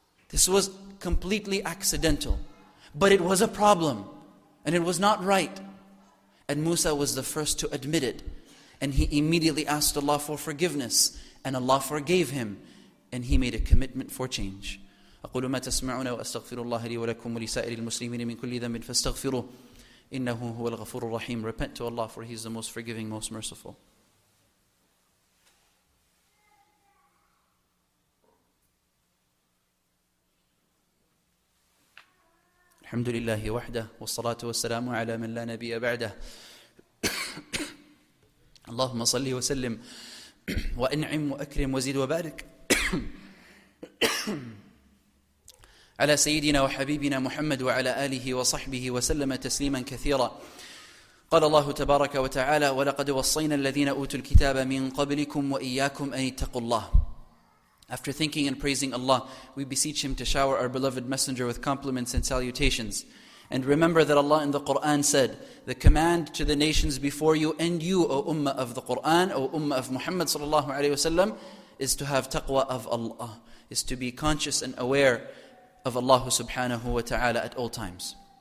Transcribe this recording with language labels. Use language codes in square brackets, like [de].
[en] This was completely accidental. But it was a problem. And it was not right. And Musa was the first to admit it. And he immediately asked Allah for forgiveness. And Allah forgave him. And he made a commitment for change. [ar] أقول ما تسمعون وأستغفر الله لي ولكم ولسائر المسلمين من كل ذنب فاستغفروه إنه هو الغفور الرحيم. [en] Repent to Allah, for He is the most forgiving, most merciful. [ar] الحمد لله وحده والصلاة والسلام على من لا نبي بعده. اللهم صل وسلم وأنعم وأكرم وزيد وبارك على سيدنا وحبيبنا محمد وعلى آله وصحبه وسلم تسليما كثيرا. قال الله تبارك وتعالى ولقد وصينا الذين أوتوا الكتاب من قبلكم وإياكم أن يتقوا الله. [en] After thanking and praising Allah, we beseech Him to shower our beloved messenger with compliments and salutations. And remember that Allah in the Qur'an said, the command to the nations before you and you, O Ummah of the Qur'an, O Ummah of Muhammad sallallahu alayhi wa sallam, is to have taqwa of Allah, is to be conscious and aware of Allah subhanahu wa ta'ala at all times.